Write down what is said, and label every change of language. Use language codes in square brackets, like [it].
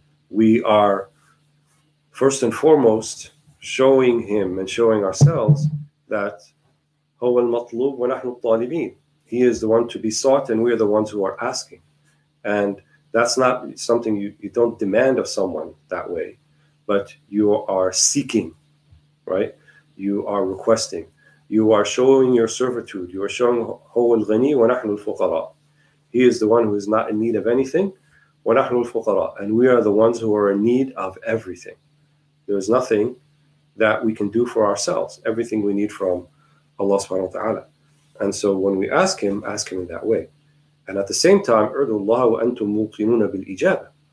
[en] We are, first and foremost, showing Him and showing ourselves that [ar] هو المطلوب ونحن الطالبين. [en] He is the one to be sought and we are the ones who are asking. And that's not something you don't demand of someone that way, but you are seeking, right? You are requesting. You are showing your servitude. You are showing [ar] هُوَ الْغَنِي وَنَحْنُ الْفُقَرَىٰ. [en] He is the one who is not in need of anything. [ar] وَنَحْنُ الْفُقَرَىٰ. [en] And we are the ones who are in need of everything. There is nothing that we can do for ourselves. Everything we need from Allah subhanahu wa ta'ala. And so when we ask Him in that way. And at the same time, [ar] اُرْدُوا اللَّهَ وَأَنْتُمْ مُوقِنُونَ بِالْإِجَابَةِ.